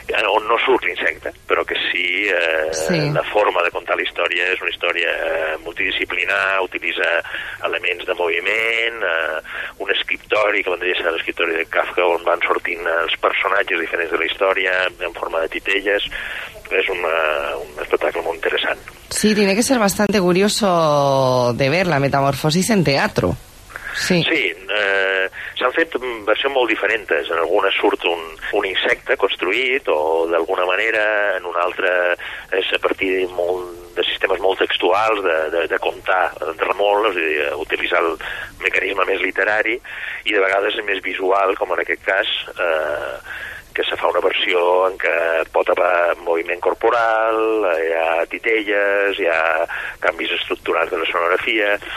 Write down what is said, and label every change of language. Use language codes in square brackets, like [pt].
[ca] on no surt l'insecte, però que sí, la forma de contar la història és una història multidisciplinar, utilitza elements de moviment, un escriptori, que vendria a ser l'escriptori de Kafka, on van sortint els personatges diferents de la història en forma de titelles. És un espectacle molt interessant. [es] Sí, tiene que ser bastante curioso de ver la Metamorfosis en teatro. [ca] Sí, sí, s'han fet versions molt diferents. En algunes surt un insecte construït, o d'alguna manera, en una altra és a partir de sistemes molt textuals, de comptar remol, és a dir, utilitzar el mecanisme més literari, i de vegades és més visual, com en aquest cas, que se fa una versió en què pot haver moviment corporal, hi ha titelles, hi ha canvis estructurals de la sonografia.